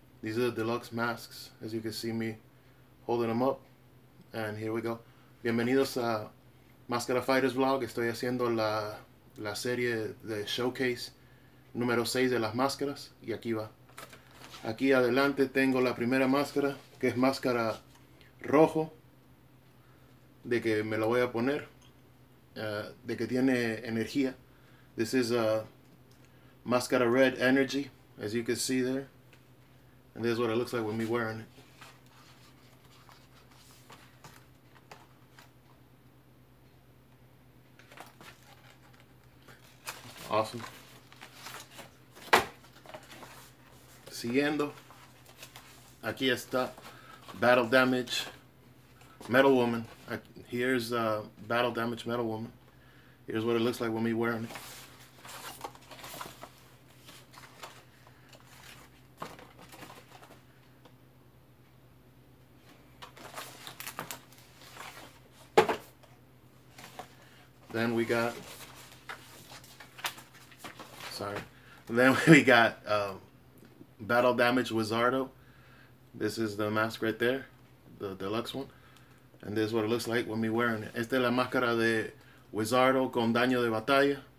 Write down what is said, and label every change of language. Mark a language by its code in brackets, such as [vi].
[en] These are the deluxe masks, as you can see me holding them up. And here we go. [es] Bienvenidos a Mascara Fighters vlog. Estoy haciendo la serie de showcase número 6 de las máscaras. Y aquí va. Aquí adelante tengo la primera máscara, que es máscara rojo, de que me la voy a poner. De que tiene energía. [en] This is a Mascara Red Energy, as you can see there. And this is what it looks like with me wearing it. Awesome. [es] Siguiendo. Aquí está Battle Damage Metal Woman. [en] Here's Battle Damage Metal Woman. Here's what it looks like with me wearing it. Then we got, sorry. Then we got Battle Damage Wizardo. This is the mask right there, the deluxe one. And this is what it looks like with me wearing it. [es] Esta es la máscara de Wizardo con daño de batalla.